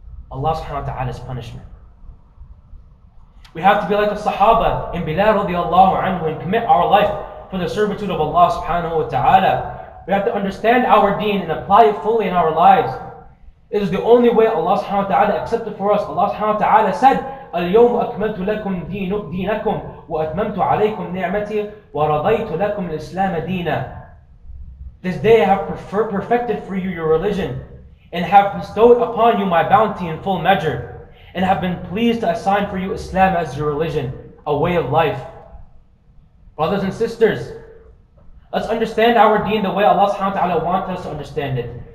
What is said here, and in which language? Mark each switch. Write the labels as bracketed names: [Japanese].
[English] Allah subhanahu wa ta'ala's punishment. We have to be like the Sahaba in Bilal radiallahu anhu and commit our life for the servitude of Allah subhanahu wa ta'ala. We have to understand our deen and apply it fully in our lives. It is the only way Allah subhanahu wa ta'ala accepted for us. Allah subhanahu wa ta'ala said, [Arabic] اليوم أكملت لكم دينكم وأتممت عليكم نعمتي ورضيت لكم الإسلام دينا. [English] This day I have perfected for you your religion and have bestowed upon you my bounty in full measure, and have been pleased to assign for you Islam as your religion, a way of life. Brothers and sisters, let's understand our deen the way Allah subhanahu wa ta'ala wants us to understand it.